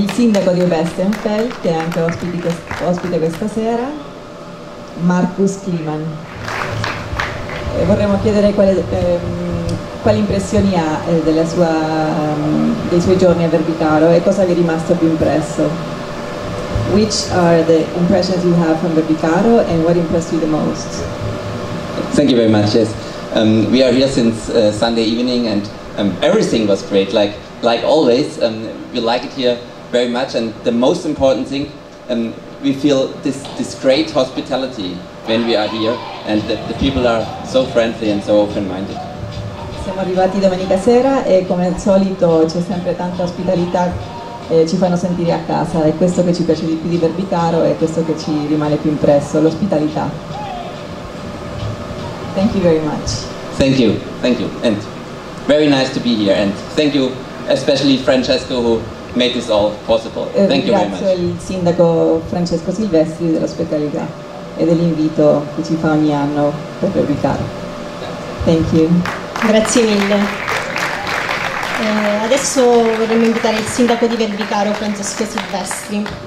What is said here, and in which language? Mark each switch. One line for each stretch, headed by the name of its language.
Italian: Il sindaco di Obestenfeld, che è anche ospite questa sera, Markus Kliman. Vorremmo chiedere quali impressioni ha dei suoi giorni a Verbicaro e cosa gli è rimasto più impresso.
English: Which are the impressions you have from Verbicaro and what impressed you the most? Thank you very much. Yes, we are here since Sunday evening, and everything was great. Like always, we like it here very much. And the most important thing, we feel this great hospitality when we are here, and the people are so friendly and so open-minded.
Italian: siamo arrivati domenica sera e come al solito c'è sempre tanta ospitalità, ci fanno sentire a casa, è questo che ci piace di più di Verbicaro e questo che ci rimane più impresso, l'ospitalità.
English: Thank you very much. Thank you, and very nice to be here, and thank you especially Francesco who made this all possible. Thank you very much.
Italian: Ringrazio il sindaco Francesco Silvestri dell'ospitalità e dell'invito che ci fa ogni anno per Verbicaro.
English: Thank you.
Italian: Grazie mille. Adesso vorremmo invitare il sindaco di Verbicaro, Francesco Silvestri.